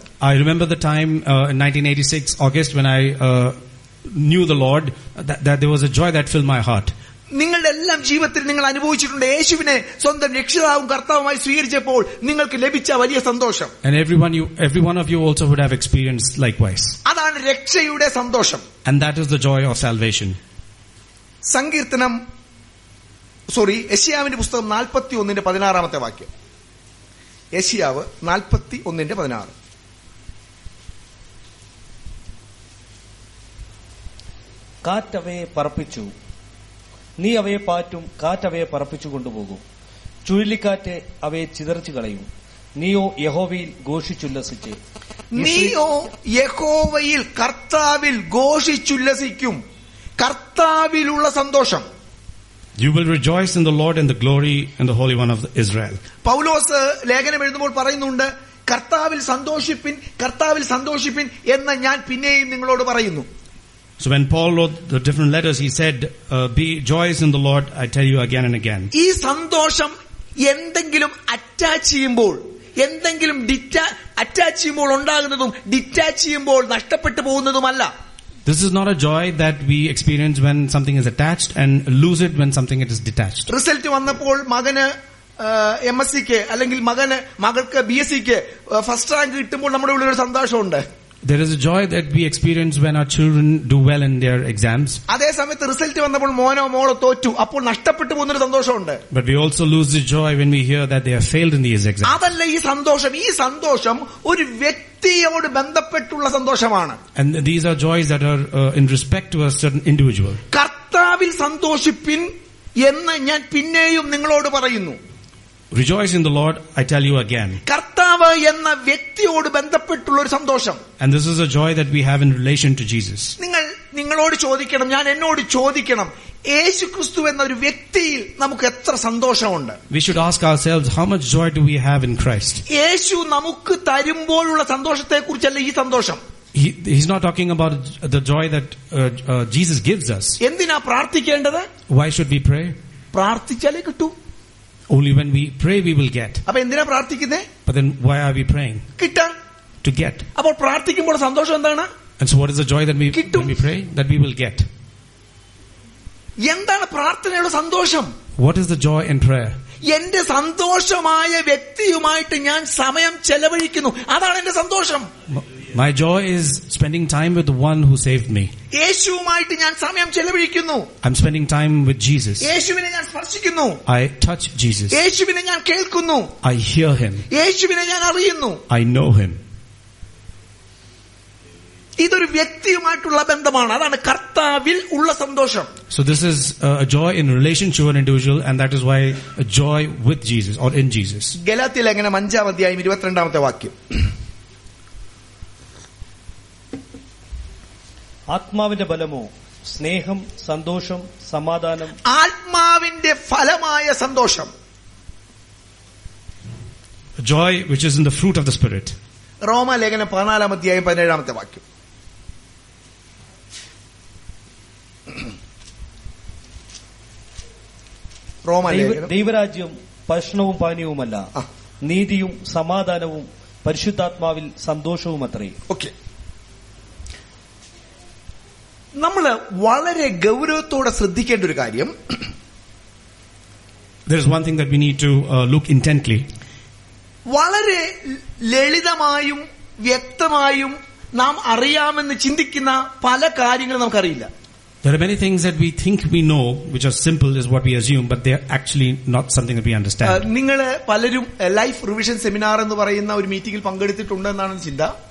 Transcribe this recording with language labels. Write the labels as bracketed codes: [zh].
[en] I remember the time in 1986 August when I knew the Lord, that there was a joy that filled my heart. [ml] നിങ്ങളെല്ലാം ജീവിതത്തിൽ നിങ്ങൾ അനുഭവിച്ചിട്ടുണ്ട് യേശുവിനെ സ്വന്തം രക്ഷിതാവും കർത്താവുമായി സ്വീകരിച്ചപ്പോൾ നിങ്ങൾക്ക് ലഭിച്ച വലിയ സന്തോഷം. [en] And everyone of you also would have experienced likewise. [ml] അതാണ് രക്ഷയുടെ സന്തോഷം. [en] And that is the joy of salvation. [ml] യെശയ്യാവിന്റെ പുസ്തകം 41:16. യെശയ്യാവ് 41:16. കാറ്റവയെ പറപ്പിച്ചു, നീ അവയെ പാറ്റും, കാറ്റവയെ പറപ്പിച്ചു കൊണ്ടുപോകും, ചുഴലിക്കാറ്റ് അവയെ ചിതറിച്ചു കളയും. നീയോ യഹോവയിൽ ഘോഷിച്ചുല്ലസിച്ച്, നീയോ യഹോവയിൽ കർത്താവിൽ ഘോഷിച്ചുല്ലസിക്കും. കർത്താവിലുള്ള സന്തോഷം. [en] You will rejoice in the Lord and the glory and the Holy One of Israel. [ml] പൗലോസ് ലേഖനം എഴുതുമ്പോൾ പറയുന്നുണ്ട്, കർത്താവിൽ സന്തോഷിപ്പിൻ, കർത്താവിൽ സന്തോഷിപ്പിൻ എന്ന് ഞാൻ പിന്നെയും നിങ്ങളോട് പറയുന്നു. [en] So when Paul wrote the different letters, he said, be joyous in the Lord, I tell you again and again. [ml] ഈ സന്തോഷം എന്തെങ്കിലും അറ്റാച്ച് ചെയ്യുമ്പോൾ, എന്തെങ്കിലും അറ്റാച്ച് ചെയ്യുമ്പോൾ ഉണ്ടാകുന്നതും ഡിറ്റാച്ച് ചെയ്യുമ്പോൾ നഷ്ടപ്പെട്ടു പോകുന്നതുമല്ല. [en] This is not a joy that we experience when something is attached and lose it when something it is detached. [ml] Result വന്നപ്പോൾ മകന് MSc അല്ലെങ്കിൽ മകന് മകൾക്ക് BSc ഫസ്റ്റ് റാങ്ക് കിട്ടുമ്പോൾ നമ്മുടെ ഉള്ളിൽ ഒരു സന്തോഷമുണ്ട്. [en] There is a joy that we experience when our children do well in their exams. [ml] അതേ സമയത്ത് റിസൾട്ട് വന്നപ്പോൾ മോനോ മോളോ തോറ്റു, അപ്പോൾ നഷ്ടപ്പെട്ടു പോകുന്ന ഒരു സന്തോഷമുണ്ട്. [en] But we also lose the joy when we hear that they have failed in these exams. [ml] അതല്ല ഈ സന്തോഷം. ഈ സന്തോഷം ഒരു വ്യക്തിയോട് ബന്ധപ്പെട്ടുള്ള സന്തോഷമാണ്. [en] And these are joys that are in respect to a certain individual. [ml] കർത്താവിൽ സന്തോഷിപ്പിൻ എന്ന് ഞാൻ പിന്നെയും നിങ്ങളോട് പറയുന്നു. [en] Rejoice in the Lord, I tell you again. [ml] കർത്താവ് എന്ന വ്യക്തിയോട് ബന്ധപ്പെട്ടുള്ള ഒരു സന്തോഷം. [en] And this is a joy that we have in relation to Jesus. [ml] നിങ്ങൾ നിങ്ങളോട് ചോദിക്കണം, ഞാൻ എന്നോട് ചോദിക്കണം, യേശുക്രിസ്തു എന്ന ഒരു വ്യക്തിയിൽ നമുക്ക് എത്ര സന്തോഷമുണ്ട്. [en] We should ask ourselves, how much joy do we have in Christ? [ml] യേശു നമുക്ക് തരുമ്പോഴുള്ള സന്തോഷത്തെക്കുറിച്ചല്ല ഈ സന്തോഷം. [en] He's not talking about the joy that Jesus gives us. [ml] എന്തിനാ പ്രാർത്ഥിക്കേണ്ടത്? [en] Why should we pray? [ml] പ്രാർത്ഥിച്ചാലേ കിട്ടൂ. [en] Only when we pray we will get. [ml] അപ്പൊ എന്തിനാ പ്രാർത്ഥിക്കുന്നേ? [en] But then why are we praying? [ml] കിട്ടാൻ. [en] To get. [ml] അപ്പോൾ പ്രാർത്ഥിക്കുമ്പോൾ സന്തോഷം എന്താണ്? [en] And so what is the joy that when we pray that we will get? [ml] എന്താണ് പ്രാർത്ഥനയുടെ സന്തോഷം? [en] What is the joy in prayer? [ml] എന്റെ സന്തോഷമായ വ്യക്തിയുമായിട്ട് ഞാൻ സമയം ചെലവഴിക്കുന്നു, അതാണ് എന്റെ സന്തോഷം. [en] My joy is spending time with the one who saved me. [ml] യേശുവുമായിട്ട് ഞാൻ സമയം ചെലവഴിക്കുന്നു. [en] I'm spending time with Jesus. [ml] യേശുവിനെ ഞാൻ സ്പർശിക്കുന്നു. [en] I touch Jesus. [ml] യേശുവിനെ ഞാൻ കേൾക്കുന്നു. [en] I hear him. [ml] യേശുവിനെ ഞാൻ അറിയുന്നു. [en] I know him. [ml] ഇതൊരു വ്യക്തിയുമായിട്ടുള്ള ബന്ധമാണ്. അതാണ് കർത്താവിൽ ഉള്ള സന്തോഷം. [en] So this is a joy in relation to an individual, and that is why a joy with Jesus or in Jesus. [ml] Galatia ലേഖനം 5 അധ്യായം 22-ാമത്തെ വാക്യം. ആത്മാവിന്റെ ഫലമോ സ്നേഹം, സന്തോഷം, സമാധാനം. ആത്മാവിന്റെ ഫലമായ സന്തോഷം. [en] Joy which is in the fruit of the spirit. [ml] റോമാ ലേഖനം 14-ാം അധ്യായം 17-ാമത്തെ വാക്യം. ദൈവരാജ്യം ഭക്ഷണവും പാനീയവുമല്ല, നീതിയും സമാധാനവും പരിശുദ്ധാത്മാവിൽ സന്തോഷവും അത്രേ. ഓക്കെ, നമ്മള് വളരെ ഗൗരവത്തോടെ ശ്രദ്ധിക്കേണ്ട ഒരു കാര്യം. [en] There is one thing that we need to look intently. [ml] വളരെ ലളിതമായും വ്യക്തമായും നാം അറിയാമെന്ന് ചിന്തിക്കുന്ന പല കാര്യങ്ങളും നമുക്കറിയില്ല. [en] There are many things that we think we know, which are simple, is what we assume, but they are actually not something that we understand. [ml] നിങ്ങളെ പലരും life revision seminar എന്ന് പറയുന്ന ഒരു മീറ്റിംഗിൽ പങ്കെടുത്തിട്ടുണ്ട് എന്നാണ് ചിന്ത.